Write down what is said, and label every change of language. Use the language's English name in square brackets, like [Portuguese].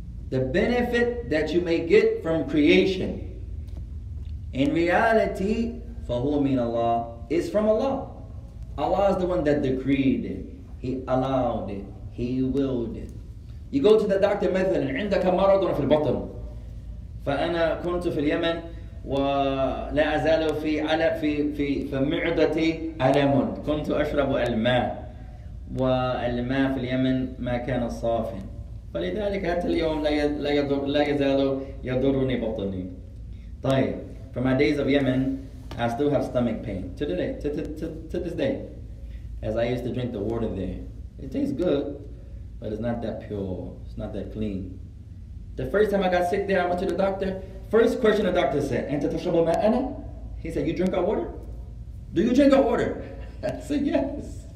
[English] The benefit that you may get from creation, in reality, [Arabic] فَهُوَ مِنَ اللَّهِ, [English] is from Allah. Allah is the one that decreed it. He allowed it. He willed it. You go to the doctor, [Arabic] مثلاً, عندك مرض في البطن. فأنا كنت في اليمن ولا أزال في على في في في معدتي ألم. كنت أشرب الماء والماء في اليمن ما كان صافيا, فلذلك حتى اليوم لا يزال يضرني بطني. طيب, [English] from my days of Yemen, I still have stomach pain to this day. As I used to drink the water there, it tastes good, but it's not that pure, it's not that clean. The first time I got sick there, I went to the doctor. First question the doctor said, [Arabic] "Anta tashrabu ma'ana?" [English] He said, "You drink our water? Do you drink our water?" I said, "Yes."